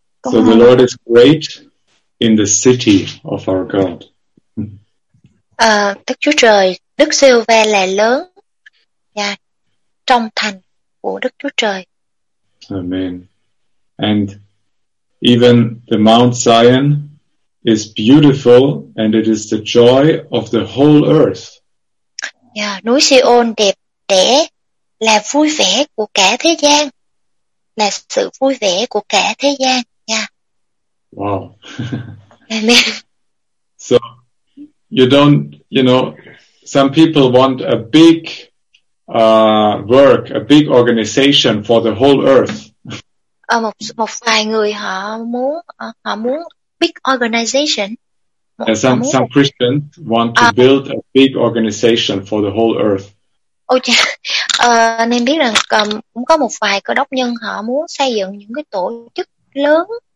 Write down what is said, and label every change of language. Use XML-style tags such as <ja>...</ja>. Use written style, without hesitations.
<en>So the Lord is great in the city of our God.</en> <vi>Đức Chúa Trời, Đức Giê-hô-va là lớn, trong thành của Đức Chúa Trời.</vi> <en>Amen. And even the Mount Zion is beautiful, and it is the joy of the whole earth.</en> <vi>Núi Si-ôn đẹp đẽ là vui vẻ của cả thế gian, là sự vui vẻ của cả thế gian.</vi> <en>Wow. So you don't, some people want a big work, a big organization for the whole earth.</en> <vi>Một vài người họ muốn</vi> <en>big organization. Some Christians want to build a big organization for the whole earth.</en> <vi>Nên biết rằng cũng có một vài cơ đốc nhân họ muốn xây dựng những cái tổ chức lớn.</vi>